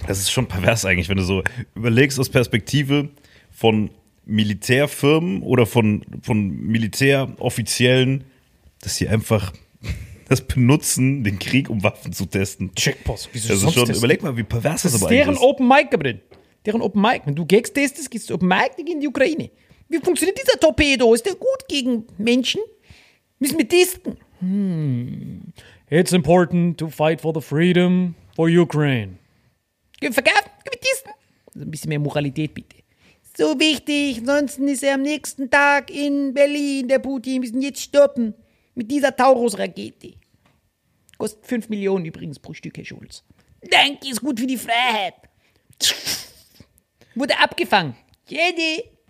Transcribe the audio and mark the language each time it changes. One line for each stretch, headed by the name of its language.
German: Das ist schon pervers eigentlich, wenn du so überlegst aus Perspektive von Militärfirmen oder von Militäroffiziellen, dass sie einfach das benutzen, den Krieg, um Waffen zu testen. Checkpost. Wieso das ist sonst schon, testen? Überleg mal, wie pervers das ist. Das ist deren Open Mic, Gabriel. Deren Open Mic. Wenn du Gags testest, gehst du Open Mic, die gehen in die Ukraine. Wie funktioniert dieser Torpedo? Ist der gut gegen Menschen? Müssen wir testen?
English: It's important to fight for the freedom for Ukraine.
German: Können wir verkaufen? Können wir testen? Also ein bisschen mehr Moralität, bitte. So wichtig. Ansonsten ist er am nächsten Tag in Berlin, der Putin. Wir müssen jetzt stoppen. Mit dieser Taurus-Rakete. Kostet 5 Millionen übrigens pro Stück, Herr Schulz. Danke, ist gut für die Freiheit. Wurde abgefangen. Jedi.